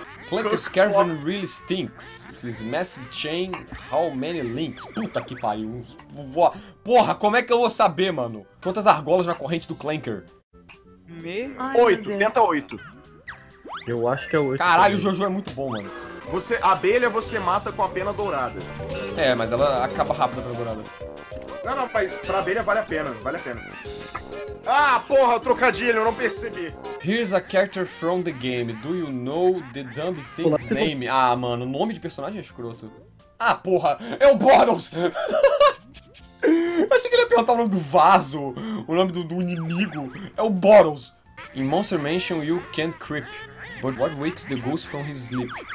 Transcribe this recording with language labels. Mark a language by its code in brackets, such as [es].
[en] Plunkett's Caravan really stinks. His massive chain, how many links? [pt] Puta que pariu. Porra, como é que eu vou saber, mano? Quantas argolas na corrente do Clanker? Oito, tenta oito. Eu acho que é oito. Caralho, o Jojo é muito bom, mano. Você, abelha você mata com a pena dourada. É, mas ela acaba rápido a pena dourada. Não, não, mas pra abelha vale a pena, vale a pena. Ah, porra, trocadilho, eu não percebi. [en] Here's a character from the game. Do you know the dumb thing's name? [pt] Ah, mano, nome de personagem é escroto. Ah, porra, é o Bottles! Achei que ele ia perguntar o nome do vaso, o nome do inimigo. É o Bottles. [en] In Monster Mansion, you can't creep. But what wakes the ghost from his sleep?